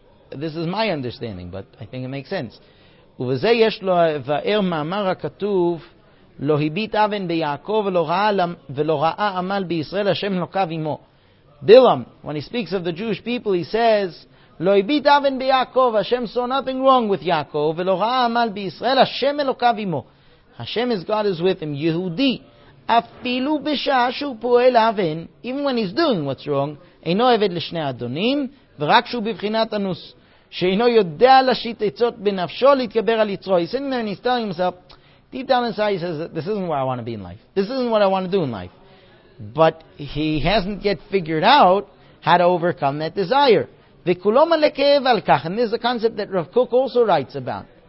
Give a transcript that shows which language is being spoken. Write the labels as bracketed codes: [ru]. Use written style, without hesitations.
[en] This is my understanding, but I think it makes sense. [he] Uvezeh yesh lo va'er ma'amar ha'katuv, לא הביט אבן ביעקב ולא ראה עמל בישראל השם לוקב עמו. [en] Bilam, when he speaks of the Jewish people, he says, לא הביט אבן ביעקב, השם saw nothing wrong with יעקב, ולא ראה עמל בישראל השם לוקב עמו. Hashem is God is with him. [he] יהודי, אפילו בשעה שהוא פועל אבן, even when he's doing what's wrong, אינו עבד לשני אדונים, ורק שהוא בבחינת אנוס, שאינו יודע לשיט עצות בנפשו להתגבר על יצרו. [en] He's sitting there and he's telling himself, deep down inside, he says, this isn't where I want to be in life. This isn't what I want to do in life. But he hasn't yet figured out how to overcome that desire. And this is a concept that Rav Kook also writes about.